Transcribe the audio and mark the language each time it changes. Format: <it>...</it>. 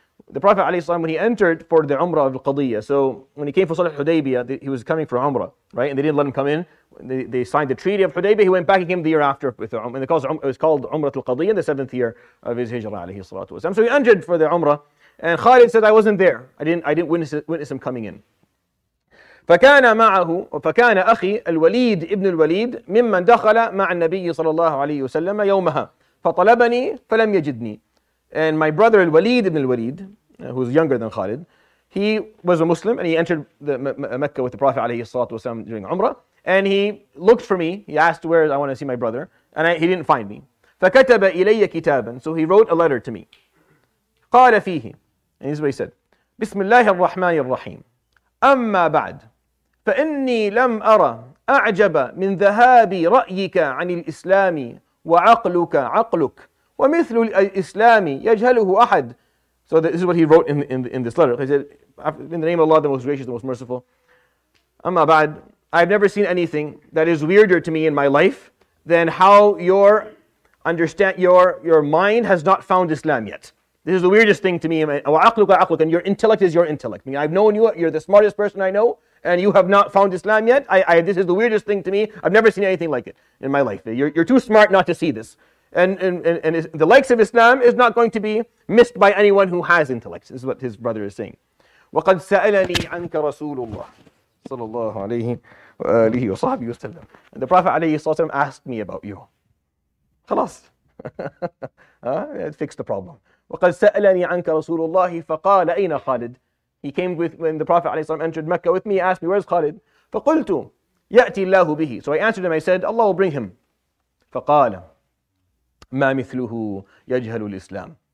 <en>The Prophet alayhi salam, when he entered for the Umrah of Al-Qadiyya, so when he came for Salah Hudaybiyah, he was coming for Umrah, right? And they didn't let him come in. They signed the treaty of Hudaybiyah. He went back again the year after with the Umrah. It was called Umratul Qadiyya in the seventh year of his Hijrah, alayhi salatu wasalam. So he entered for the Umrah, and Khalid said, "I wasn't there. I didn't witness him coming in."</en> <ar>فكان معه فكان أخي الوليد ابن الوليد ممن دخل مع النبي صلى الله عليه وسلم يومها فطلبني فلم يجدني.</ar> <en>And my brother الوليد ابن الوليد, who's younger than Khalid, he was a Muslim and he entered Mecca with the Prophet</en> <ar>عليه الصلاة والسلام</ar> <en>during Umrah. And he looked for me. He asked where I want to see my brother, and he didn't find me.</en> <ar>فكتب إلي كتابا.</ar> <en>So he wrote a letter to me.</en> <ar>قال فيه.</ar> <en>And this is what he said.</en> <ar>بسم الله الرحمن الرحيم. أما بعد. فإني لم أرى أعجب من ذهاب رأيك عن الإسلام وعقلك عقلك ومثل الإسلام يجهله أحد.</ar> <en>So this is what he wrote in this letter. He said, in the name of Allah, the most gracious, the most merciful.</en> <ar>أما بعد.</ar> <en>I've never seen anything that is weirder to me in my life than how your mind has not found Islam yet. This is the weirdest thing to me. And your intellect is your intellect. I mean, I've known you, you're the smartest person I know, and you have not found Islam yet. I this is the weirdest thing to me. I've never seen anything like it in my life. You're too smart not to see this. And the likes of Islam is not going to be missed by anyone who has intellect, is what his brother is saying.</en> <ar>وَقَدْ سَأَلَنِي عَنْكَ رَسُولُ اللَّهِ صلى الله عليه وآله وصحبه وسلم.</ar> <en>And the Prophet</en> <ar>عليه الصلاة والسلام</ar> <en>asked me about you.</en> <ar>خلاص.</ar> <en>It fixed the problem.</en> <ar>وقد سألني عنك رسول الله فقال أين خالد.</ar> <en>He came with, when the Prophet</en> <ar>عليه الصلاة والسلام</ar> <en>entered Mecca with me, he asked me, where is خالد.</en> <ar>فقلت يأتي الله به.</ar> <en>So I answered him, I said, Allah will bring him.</en> <ar>فقال ما مثله يجهل الإسلام.</ar>